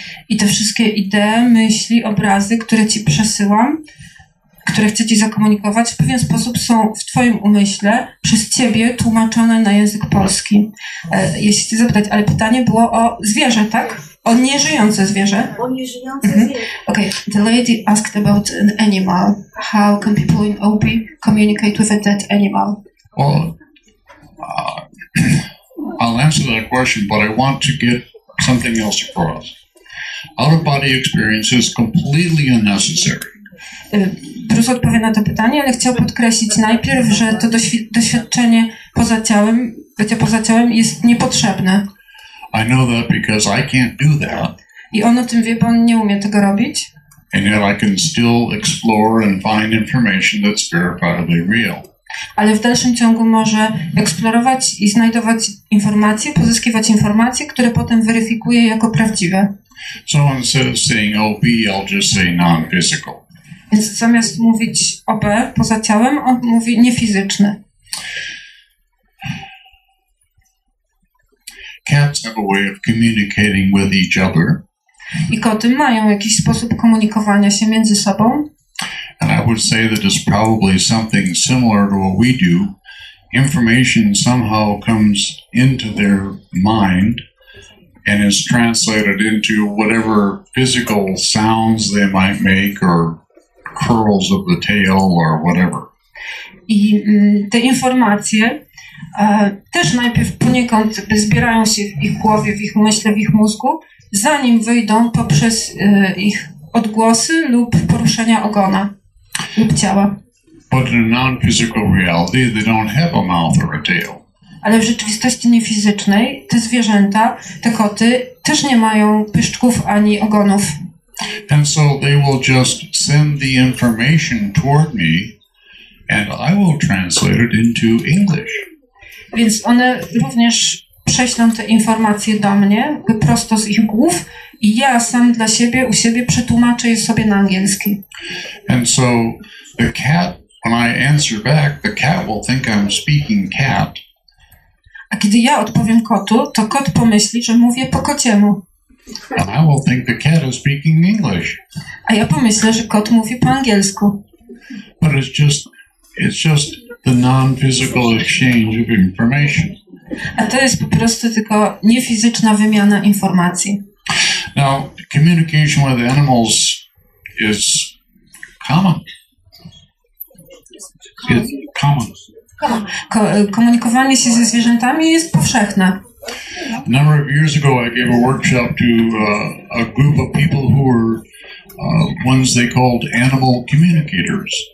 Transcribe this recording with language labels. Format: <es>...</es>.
<pl>I te wszystkie idee, myśli, obrazy, które ci przesyłam, które chcę ci zakomunikować, w pewien sposób są w twoim umyśle przez ciebie tłumaczone na język polski. Jeśli chcę zapytać, ale pytanie było o zwierzę, tak? O nieżyjące zwierzę. O nieżyjące zwierzę.</pl> <en>Okay, the lady asked about an animal. How can people in OB communicate with a dead animal? Well, I'll answer that question, but I want to get something else across. Out-of-body experience is completely unnecessary.</en> <pl>Bruce odpowie na to pytanie, ale chciał podkreślić najpierw, że to doświadczenie poza ciałem, bycie poza ciałem jest niepotrzebne.</pl> <en>I know that because I can't do that.</en> <pl>I on o tym wie, bo on nie umie tego robić.</pl> <en>And yet I can still explore and find information that's verifiably real.</en> <pl>Ale w dalszym ciągu może eksplorować i znajdować informacje, pozyskiwać informacje, które potem weryfikuje jako prawdziwe.</pl> <en>So instead of saying OB, I'll just say non-physical.</en> <pl>Więc zamiast mówić OB, poza ciałem, on mówi niefizyczne.</pl> <en>Cats have a way of communicating with each other.</en> <pl>I koty mają jakiś sposób komunikowania się między sobą.</pl> <en>And I would say that it's probably something similar to what we do. Information somehow comes into their mind and is translated into whatever physical sounds they might make or curls of the tail or whatever.</en> <pl>I te informacje też najpierw poniekąd zbierają się w ich głowie, w ich myśle, w ich mózgu, zanim wyjdą poprzez ich odgłosy lub poruszenia ogona lub ciała.</pl> <en>But in a non-physical reality, they don't have a mouth or a tail.</en> <pl>Ale w rzeczywistości niefizycznej te zwierzęta, te koty, też nie mają pyszczków ani ogonów.</pl> <en>And so they will just send the information toward me and I will translate it into English.</en> <pl>Więc one również prześlą te informacje do mnie prosto z ich głów i ja sam dla siebie, u siebie przetłumaczę je sobie na angielski.</pl> <en>And so the cat, when I answer back, the cat will think I'm speaking cat.</en> <pl>A kiedy ja odpowiem kotu, to kot pomyśli, że mówię po kociemu.</pl> <en>And I will think the cat is speaking English.</en> <pl>A ja pomyślę, że kot mówi po angielsku.</pl> <en>But it's just the non-physical exchange of information.</en> <pl>A to jest po prostu tylko niefizyczna wymiana informacji.</pl> <en>Now, communication with animals is common. It's common.</en> <pl>Komunikowanie się ze zwierzętami jest powszechne.</pl> <en>A number of years ago I gave a workshop to a group of people who were ones they called animal communicators.</en>